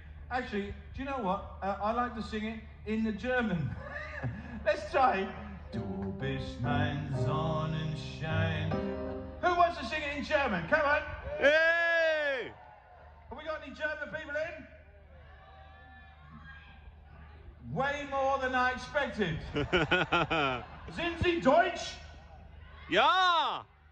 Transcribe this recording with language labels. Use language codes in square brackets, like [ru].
[en] Actually, do you know what? I like to sing it in the German. Let's try. [de] Du bist mein Sonnenschein. [en] Who wants to sing it in German? Come on. Hey! Have we got any German people in? Way more than I expected. [de] Sind Sie Deutsch? Ja!